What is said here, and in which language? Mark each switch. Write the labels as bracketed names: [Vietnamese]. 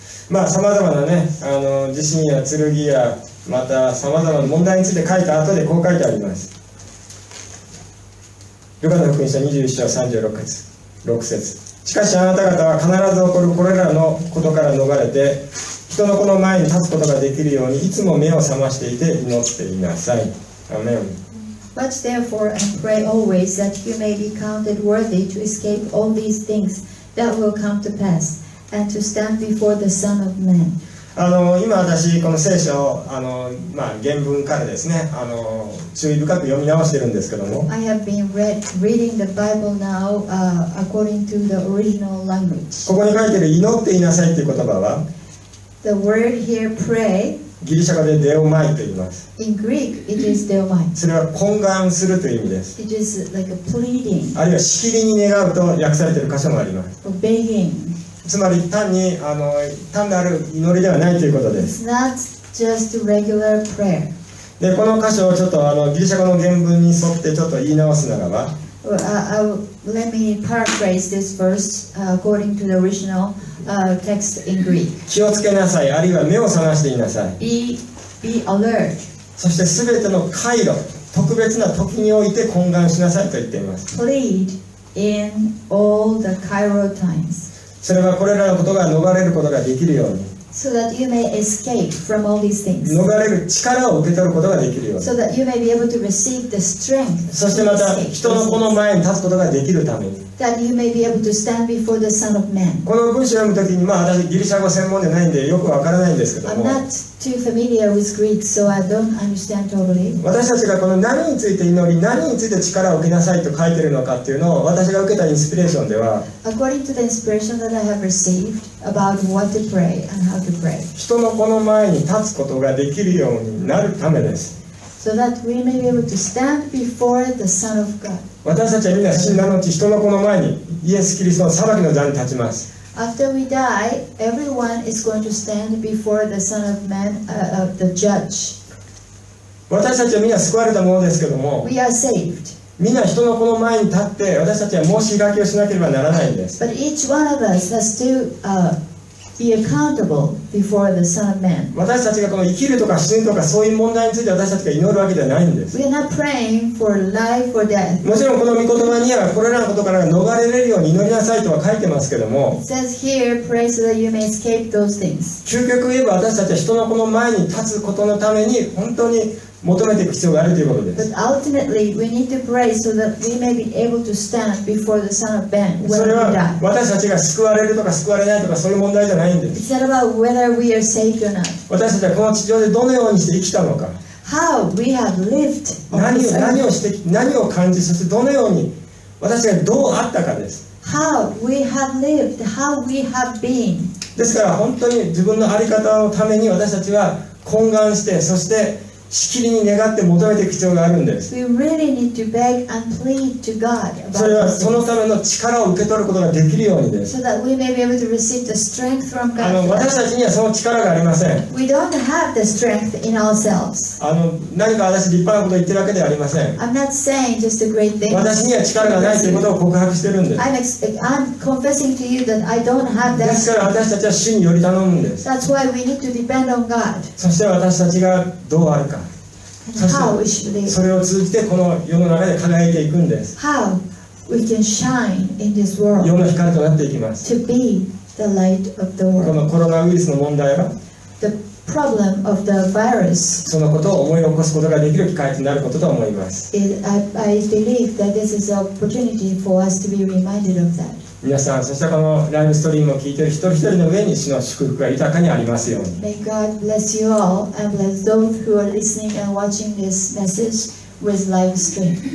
[Japanese] まあ、様々なね、地震や剣や、また様々な問題について書いた後でこう書いてあります。ルカの福音書21章36節。しかしあなた方は必ず起こるこれらのことから逃れて、人の子の前に立つことができるようにいつも目を覚ましていて祈っていなさい。アメン。 [English] Watch therefore and pray always that you may be counted worthy to escape all these things that will come to pass and to stand before the Son of Man. [Japanese] 今私この聖書を原文からですね、注意深く読み直してるんですけども、 [English] I have been reading the Bible now according to the original language. [Japanese] ここに書いてる祈っていなさいという言葉は、 [English] The word here pray、 [Japanese] ギリシャ語でデオマイと言います。 [English] In Greek, it is deomai. [Japanese] それは懇願するという意味です。 [English] It is like a pleading. [Japanese] あるいはしきりに願うと訳されている箇所もあります。 [English] Or begging. [Japanese] つまり単に単なる祈りではないということです。 [English] It's not just regular prayer. [Japanese] で、この箇所をちょっとギリシャ語の原文に沿ってちょっと言い直すならば、 [English] Let me paraphrase this verse according to the original text in Greek. [Japanese] 気をつけなさい、あるいは目を覚ましていなさい。 [English] Be alert. [Japanese] そしてすべての回路、特別な時において懇願しなさいと言っています。 [English] Plead in all the Cairo times. [Japanese] それはこれらのことが逃れることができるように。 [English] So that you may escape from all these things. [Japanese] 逃れる力を受け取ることができるように。 [English] So that you may be able to receive the strength. [Japanese] そしてまた人の子の前に立つことができるために。 [English] That you may be able to stand before the Son of Man. [Japanese] この文章を読むときに、まあ私ギリシャ語専門でないんでよくわからないんですけども。 [English] I'm not too familiar with Greek, so I don't understand totally. [Japanese] 私たちがこの何について祈り、何について力を受けなさいと書いてるのかっていうのを私が受けたインスピレーションでは。 [English] According to the inspiration that I have received about what to pray and how to pray. [Japanese] 人の子の前に立つことができるようになるためです。 [English] So that we may be able to stand before the Son of God. [Japanese] 私たちはみんな死んだ後、人の子の前にイエス・キリストの裁きの座に立ちます。 [English] After we die, everyone is going to stand before the Son of Man, the judge. [Japanese] 私たちはみんな救われたものですけども、 [English] we are saved. [Japanese] みんな人の子の前に立って、私たちは申し開きをしなければならないんです。 [English] But each one of us has to, be accountable before the Son of Man. [Japanese] 私たちがこの生きるとか死ぬとかそういう問題について私たちが祈るわけではないんです。 [English] We are not praying for life or death. [Japanese] もちろんこの御言葉にはこれらのことから逃れれるように祈りなさいとは書いてますけども、 [English] It says here, pray so that you may escape those things. [Japanese] 究極言えば私たちは人のこの前に立つことのために本当に求めていく必要があるということです。 [English] But ultimately, we need to pray so that we may be able to stand before the Son of Man when we die. [Japanese] それは私たちが救われるとか救われないとかそういう問題じゃないんです。 [English] It's not about whether we are saved or not. [Japanese] 私たちはこの地上でどのようにして生きたのか。 [English] How we have lived. [Japanese] 何を感じ、そしてどのように私たちがどうあったかです。 [English] How we have lived. How we have been. [Japanese] ですから本当に自分の在り方のために私たちは懇願して、そしてしきりに願って求めていく必要があるんです。 [English] We really need to beg and plead to God about [Japanese] this. それはそのための力を受け取ることができるようにです。 [English] So that we may be able to receive the strength from God. [Japanese] 私たちにはその力がありません。 [English] We don't have the strength in ourselves. [Japanese] 何か私立派なことを言ってるわけではありません。 [English] I'm not saying just a great thing. [Japanese] 私には力がないということを告白してるんです。 [English] I'm confessing to you that I don't have that. [Japanese] ですから私たちは主により頼むんです。 [English] That's why we need to depend on God. [Japanese] そして私たちがどうあるか。そしてそれを通じてこの世の中で輝いていくんです。 [English] How we can shine in this world. [Japanese] 世の光となっていきます。 [English] To be the light of the world. [Japanese] このコロナウイルスの問題は [English] The problem of the virus. [Japanese] そのことを思い起こすことができる機会になることと思います。 [English] I believe that this is an opportunity for us to be reminded of that. [Japanese] 皆さん、そしてこのライブストリームを聞いている一人一人の上に主の祝福が豊かにありますように。 [English] May God bless you all and bless those who are listening and watching this message with live stream.